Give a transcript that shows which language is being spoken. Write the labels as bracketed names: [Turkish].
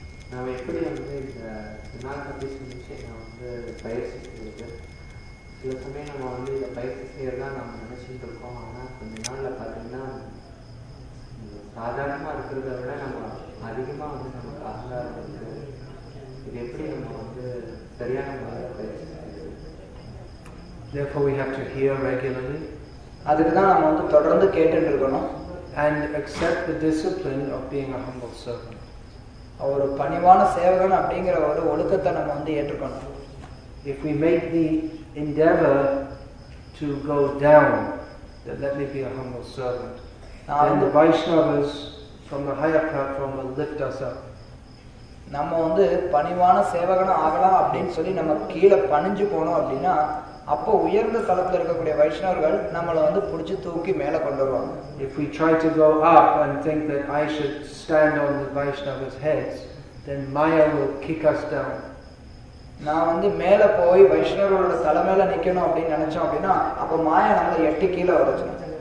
[Tamil] நாம் எப்படி வந்து இந்த ஜனாதிபதி சிகிச்சை நான் வந்து பயிற்சி செய்யறது, சில சமயம் நம்ம வந்து இந்த பயிற்சி செய்யறதா நம்ம நினைச்சிட்டு இருக்கோம். ஆனால் கொஞ்ச நாளில் பார்த்தீங்கன்னா சாதாரணமாக இருக்கிறத விட நம்ம அதிகமாக வந்து நமக்கு அகங்காரம் இருக்கு. இது எப்படி நம்ம வந்து சரியான முறையில் பயிற்சி செய்யறது? [English] Therefore we have to hear regularly. [Tamil] அதுக்கு தான் நம்ம வந்து தொடர்ந்து கேட்டுட்டு இருக்கணும். [English] And accept the discipline of being a humble servant. [Tamil] அவர் பணிவான சேவகன் அப்படிங்கிற ஒரு ஒழுக்கத்தை நம்ம வந்து ஏற்றுக்கணும். [English] If we make the endeavor to go down, then let me be a humble servant. And the Vaishnavas from the higher platform will lift us up. [Tamil] நம்ம வந்து பணிவான சேவகன் ஆகலாம் அப்படினு சொல்லி நம்ம கீழே பணிஞ்சு போனோம் அப்படினா அப்ப உயர்ந்த தலத்துல இருக்கக்கூடிய வைஷ்ணவர்கள் நம்மளை வந்து புடிச்சு தூக்கி மேலே கொண்டு வருவாங்க. [English] If we try to go up and think that I should stand on the Vaishnava's heads, then Maya will kick us down. [Tamil] நான் வந்து மேலே போய் வைஷ்ணவரோட தலை மேல நிக்கணும் அப்படினு நினைச்சோம் அப்படினா அப்ப மாயா நம்மளை எட்டி கீழே வரச்சும்.